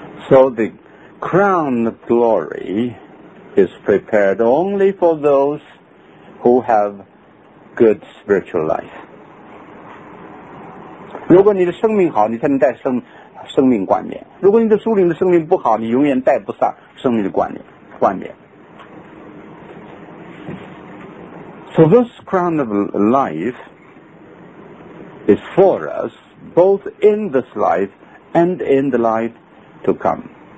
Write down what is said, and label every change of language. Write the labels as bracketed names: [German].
[English] So the crown of glory is prepared only for those who have good spiritual life. [Chinese] 如果你的生命好，你才能带生命冠冕。如果你的属灵的生命不好，你永远戴不上生命的冠冕。 [English] So this crown of life is for us both in this life and in the life to come.